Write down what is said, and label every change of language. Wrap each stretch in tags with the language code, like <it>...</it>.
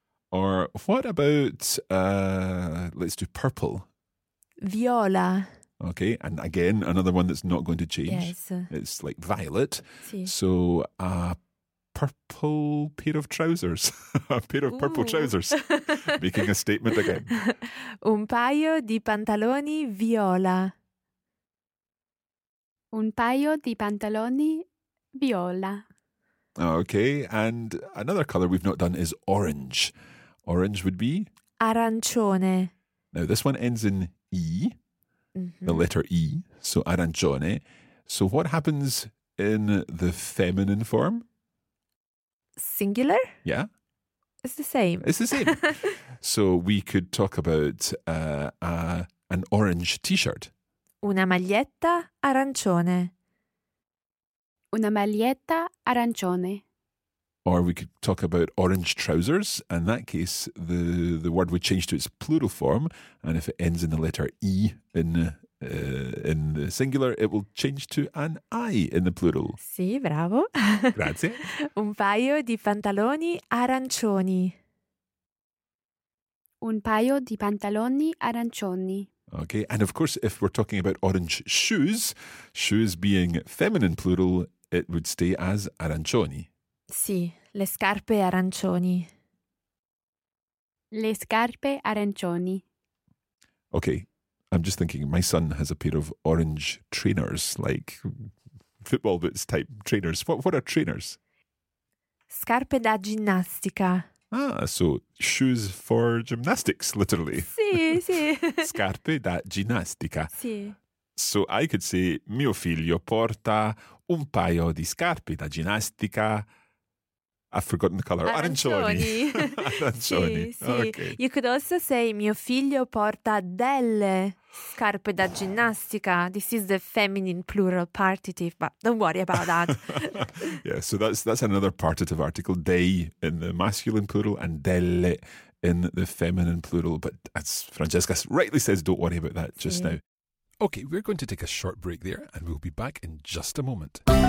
<en>Or what about, let's do purple.</en> <it>Viola.</it> <en>Okay, and again, another one that's not going to change. Yes. It's like violet.</en> <it>Si.</it> <en>So a purple pair of trousers. A pair of purple trousers. Making a statement again.</en> <it>Un paio di pantaloni viola. Un paio di pantaloni viola.</it> <en>Okay, and another colour we've not done is orange. Orange would be?</en> <it>Arancione.</it> <en>Now, this one ends in E, mm-hmm. the letter E, so arancione. So what happens in the feminine form? Singular? Yeah. It's the same. It's the same. So we could talk about an orange t-shirt. Una maglietta arancione. Una maglietta arancione. Or we could talk about orange trousers. In that case, the word would change to its plural form. And if it ends in the letter E in the singular, it will change to an I in the plural.</en> <it>Sì, bravo. Grazie. Un paio di pantaloni arancioni. Un paio di pantaloni arancioni.</it> <en>Okay. And of course, if we're talking about orange shoes, shoes being feminine plural, it would stay as arancioni.</en> <it>Sì, le scarpe arancioni. Le scarpe arancioni.</it> <en>Okay, I'm just thinking my son has a pair of orange trainers, like football boots type trainers. What are trainers?</en> <it>Scarpe da ginnastica.</it> <en>Ah, so shoes for gymnastics, literally.</en> <it>Sì, sì. Scarpe da ginnastica. Sì.</it> <en>So I could say,</en> <it>mio figlio porta un paio di scarpe da ginnastica.</it> <en>I've forgotten the color.</en> <it>Arancioni. Arancioni. Sì, sì. Okay.</it> <en>You could also say,</en> <it>mio figlio porta delle scarpe da ginnastica.</it> <en>This is the feminine plural partitive, but don't worry about that. Yeah, so that's another partitive article, dei in the masculine plural and delle in the feminine plural. But as Francesca rightly says, don't worry about that just now. Okay, we're going to take a short break there and we'll be back in just a moment.</en>